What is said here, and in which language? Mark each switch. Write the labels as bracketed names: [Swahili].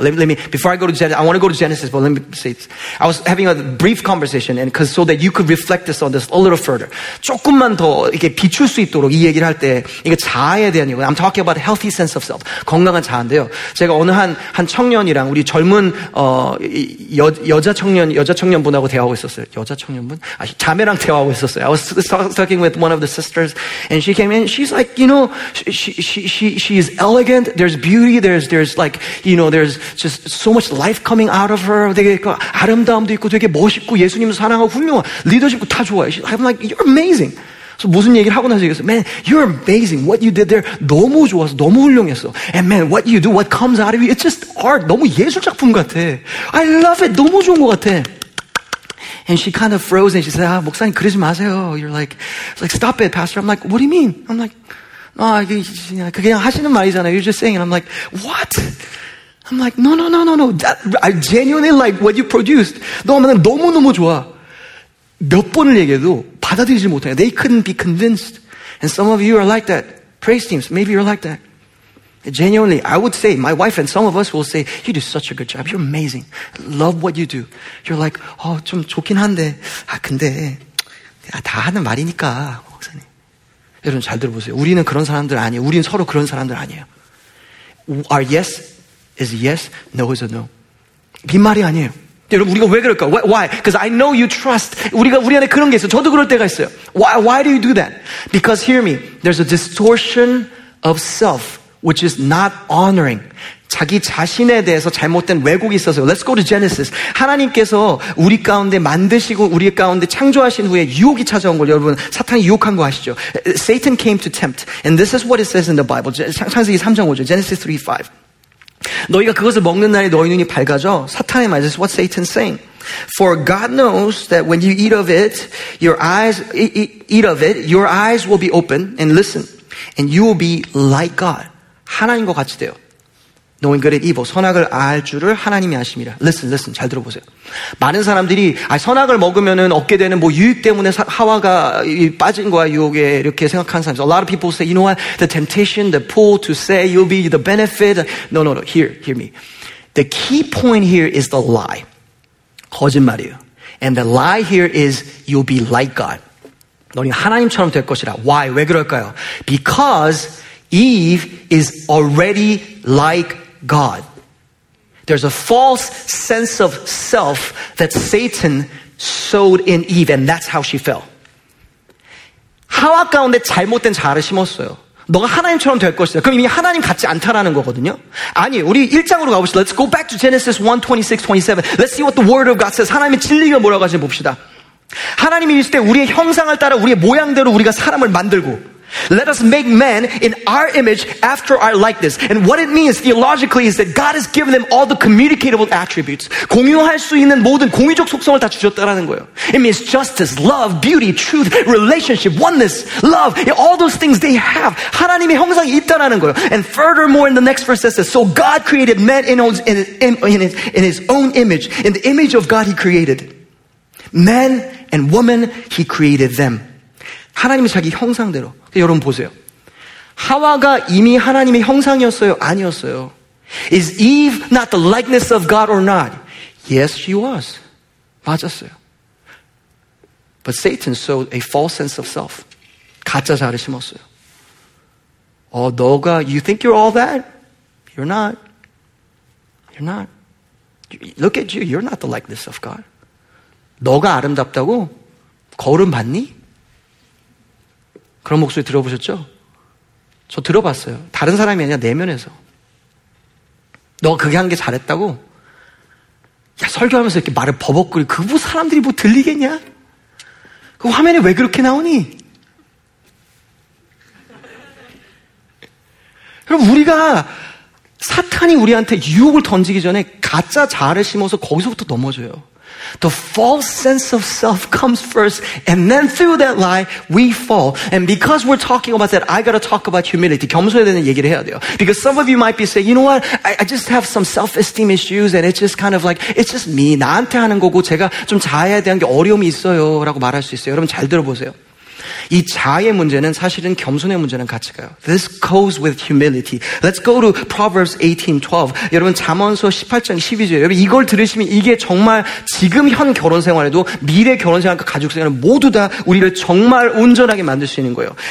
[English] Let me before I go to Genesis, I want to go to Genesis, but let me say this. I was having a brief conversation, and because so that you could reflect this on this a little further. [Korean] 조금만 더 이렇게 비출 수 있도록 이 얘기를 할 때 이게 자아에 대한 얘기예요. [English] I'm talking about a healthy sense of self, [Korean] 건강한 자아인데요. 제가 어느 한 청년이랑 우리 젊은 여자 청년분하고 대화하고 있었어요. 여자 청년분? 아, 자매랑 대화하고 있었어요. [English] I was talking with one of the sisters, and she came in. She's like, you know, she is elegant. There's beauty. There's like, you know, there's just so much life coming out of her. [Korean] 되게 아름다움도 있고 되게 멋있고 예수님 사랑하고 훌륭하고 리더십도 다 좋아요. [English] I'm like, you're amazing. [Korean] So 무슨 얘기를 하고 나서 얘기했어요. [English] Man, you're amazing. What you did there, [Korean] 너무 좋았어. 너무 훌륭했어. [English] And man, what you do, what comes out of you, it's just art. [Korean] 너무 예술 작품 같아. [English] I love it. [Korean] 너무 좋은 것 같아. [English] And she kind of froze and she said, [Korean] 아, 목사님 그러지 마세요. [English] You're like, stop it, pastor. I'm like, what do you mean? I'm like, [Korean] 아, 그냥 하시는 말이잖아요. [English] You're just saying, and I'm like, what? I'm like, no. That, I genuinely like what you produced. [Korean] 너는 너무너무 좋아. 몇 번을 얘기해도 받아들이지 못해요. [English] They couldn't be convinced. And some of you are like that. Praise teams, maybe you're like that. Genuinely, I would say, my wife and some of us will say, you do such a good job. You're amazing. Love what you do. You're like, [Korean] 어, 좀 좋긴 한데. 아, 근데 다 하는 말이니까. 여러분 잘 들어보세요. 우리는 그런 사람들 아니에요. 우리는 서로 그런 사람들 아니에요. [English] Our yes is yes, no is a no. [Korean] 빈말이 아니에요. 여러분 우리가 왜 그럴까? [English] Why? Because I know you trust. [Korean] 우리 안에 그런 게 있어요. 저도 그럴 때가 있어요. [English] Why do you do that? Because hear me, there's a distortion of self which is not honoring. [Korean] 자기 자신에 대해서 잘못된 왜곡이 있어서요. [English] Let's go to Genesis. [Korean] 하나님께서 우리 가운데 만드시고 우리 가운데 창조하신 후에 유혹이 찾아온 걸 여러분 사탄이 유혹한 거 아시죠? [English] Satan came to tempt. And this is what it says in the Bible. [Korean] 창세기 3장 5절. [English] Genesis 3, 5. [Korean] 너희가 그것을 먹는 날에 너희 눈이 밝아져. 사탄의 말. [English] This is what Satan's saying. For God knows that when you eat of it, your eyes, eat of it, your eyes will be open and listen. And you will be like God. [Korean] 하나님과 같이 돼요. [English] Knowing good and evil. [Korean] 선악을 알 줄을 하나님이 아십니다. [English] Listen. [Korean] 잘 들어보세요. 많은 사람들이 아, 선악을 먹으면은 얻게 되는 뭐 유익 때문에 하와가 빠진 거야 유혹에 이렇게 생각하는 사람. [English] So a lot of people say, you know what? The temptation, the pull to say you'll be the benefit. No. Hear me. The key point here is the lie. [Korean] 거짓말이에요. [English] And the lie here is you'll be like God. [Korean] 너는 하나님처럼 될 것이라. [English] Why? [Korean] 왜 그럴까요? [English] Because Eve is already like God. There's a false sense of self that Satan sowed in Eve, and that's how she fell. [Korean] 하와 가운데 잘못된 자아를 심었어요. 너가 하나님처럼 될 것이다. 그럼 이미 하나님 같지 않다라는 거거든요. 아니, 우리 1장으로 가봅시다. [English] Let's go back to Genesis 1, 26, 27. Let's see what the word of God says. [Korean] 하나님의 진리가 뭐라고 하시는지 봅시다. 하나님이 있을 때 우리의 형상을 따라 우리의 모양대로 우리가 사람을 만들고 [English] Let us make man in our image after our likeness. And what it means theologically is that God has given them all the communicable attributes. [Korean] 공유할 수 있는 모든 공유적 속성을 다 주셨다라는 거예요. [English] It means justice, love, beauty, truth, relationship, oneness, love. All those things they have. [Korean] 하나님의 형상이 있다라는 거예요. [English] And furthermore, in the next verse, it says, So God created man in his own image. In the image of God, he created. Man and woman, he created them. [Korean] 하나님이 자기 형상대로. 여러분 보세요. 하와가 이미 하나님의 형상이었어요? 아니었어요? [English] Is Eve not the likeness of God or not? Yes, she was. [Korean] 맞았어요. [English] But Satan sowed a false sense of self. [Korean] 가짜 자아를 심었어요. 어, 너가, [English] you think you're all that? You're not. You're not. Look at you. You're not the likeness of God. [Korean] 너가 아름답다고? 거울은 봤니? 그런 목소리 들어보셨죠? 저 들어봤어요. 다른 사람이 아니라 내면에서. 너가 그게 한 게 잘했다고? 야, 설교하면서 이렇게 말을 버벅거리고 그 뭐 사람들이 뭐 들리겠냐? 그 화면에 왜 그렇게 나오니? 그럼 우리가 사탄이 우리한테 유혹을 던지기 전에 가짜 자아를 심어서 거기서부터 넘어져요. [English] The false sense of self comes first, and then through that lie, we fall. And because we're talking about that, I gotta talk about humility. [Korean] 겸손에 대한 얘기를 해야 돼요. [English] Because some of you might be saying, you know what? I just have some self-esteem issues, and it's just kind of like, it's just me. [Korean] 나한테 하는 거고, 제가 좀 자아에 대한 게 어려움이 있어요. 라고 말할 수 있어요. 여러분 잘 들어보세요. 이 자의 문제는 사실은 겸손의 문제는 같이 가요. [English] This goes with humility. Let's go to Proverbs 18:12. [Korean] 여러분 잠언서 18장 12절. 여러분 이걸 들으시면 이게 정말 지금 현 결혼 생활에도 미래 결혼 생활과 가족 생활 모두 다 우리를 정말 온전하게 만들 수 있는 거예요.